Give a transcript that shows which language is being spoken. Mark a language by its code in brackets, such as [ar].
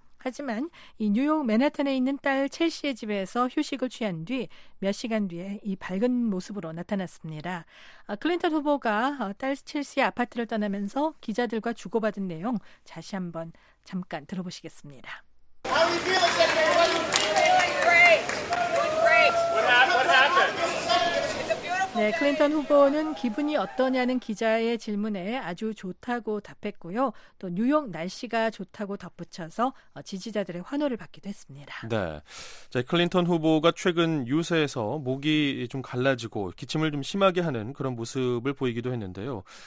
[ko] 하지만 이 뉴욕 맨해튼에 있는 딸 첼시의 집에서 휴식을 취한 뒤 몇 시간 뒤에 이 밝은 모습으로 나타났습니다. 클린턴 후보가 딸 첼시의 아파트를 떠나면서 기자들과 주고받은 내용 다시 한번 잠깐 들어보시겠습니다. [en] How are you feeling, Jennifer? What happened? [ko] 네, 클린턴 후보는 기분이 어떠냐는 기자의 질문에 아주 좋다고 답했고요. 또 뉴욕 날씨가 좋다고 덧붙여서 지지자들의 환호를 받기도 했습니다. 네, 자, 클린턴 후보가 최근 유세에서 목이 좀 갈라지고 기침을 좀 심하게 하는 그런 모습을 보이기도 했는데요.